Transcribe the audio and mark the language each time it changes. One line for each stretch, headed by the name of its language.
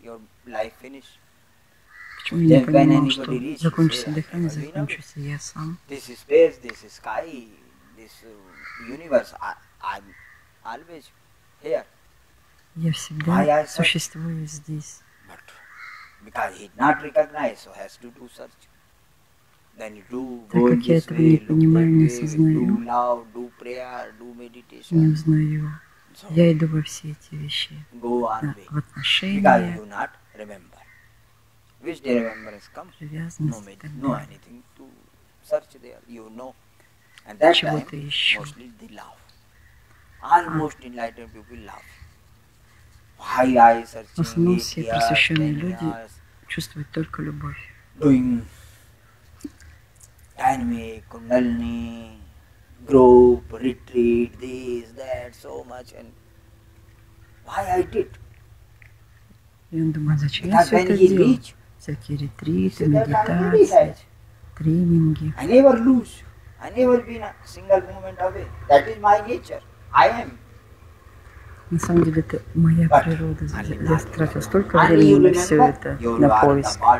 English: Your life finish.
Russian: Почему я не понимал, что закончится дыхание, закончится я сам?
English: This is space. This is sky. This universe. I'm always here.
Russian: Я всегда
English: said,
Russian: существую здесь.
English: But because he not recognize, so has to do search. Then you do
Russian: так как я этого не понимаю, не осознаю.
English: Do love, do prayer, do meditation.
Russian: Не узнаю. So, я иду во все эти вещи.
English: Go on way.
Russian: В отношения.
English: Because you not remember. Which day remembrance comes?
Russian: Привязанность.
English: No meditation. No anything to search there. You know. And that
Russian: чего-то
English: time,
Russian: еще.
English: Mostly the love. Almost enlightened people love.
Russian: В основном все просвещенные люди чувствуют только любовь.
English: Doing dynamic, kundalini, group, retreat, this, that, so much, and why I did?
Russian: И он думает, зачем я все это делал? Всякие ретриты, медитации, тренинги.
English: I never lose. I never been a single moment away. That is my nature. I am.
Russian: На самом деле, это моя природа. Я тратил столько времени на все это, на поиск.